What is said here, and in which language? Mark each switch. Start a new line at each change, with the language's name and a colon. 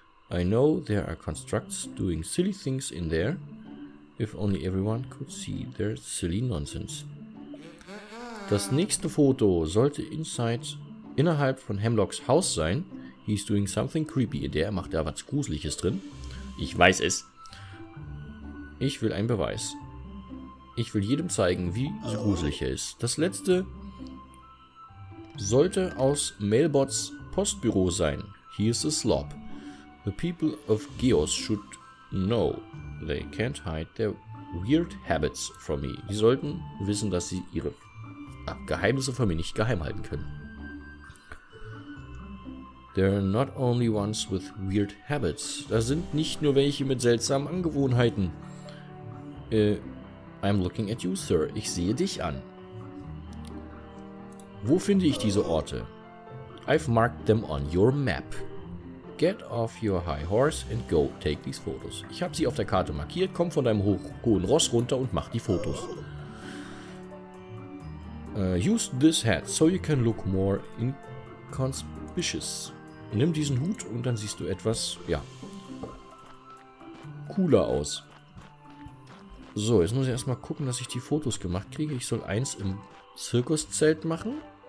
English: I know there are constructs doing silly things in there. If only everyone could see their silly nonsense.
German: Das nächste Foto sollte innerhalb von Hemlocks Haus sein.
English: He's doing something creepy in there.
German: Macht da was Gruseliges drin. Ich weiß es. Ich will einen Beweis. Ich will jedem zeigen, wie gruselig er ist. Das letzte sollte aus Mailbots Postbüro sein.
English: Here's a slob. The people of Geos should know they can't hide their weird habits from me.
German: Die sollten wissen, dass sie ihre Geheimnisse von mir nicht geheim halten können.
English: There are not only ones with weird habits.
German: Da sind nicht nur welche mit seltsamen Angewohnheiten.
English: I'm looking at you, sir.
German: Ich sehe dich an. Wo finde ich diese Orte?
English: I've marked them on your map. Get off your high horse and go take these photos.
German: Ich habe sie auf der Karte markiert. Komm von deinem hohen Ross runter und mach die Fotos.
English: Use this hat so you can look more inconspicuous.
German: Nimm diesen Hut und dann siehst du etwas, ja, cooler aus. So, jetzt muss ich erstmal gucken, dass ich die Fotos gemacht kriege. Ich soll eins im Zirkuszelt machen.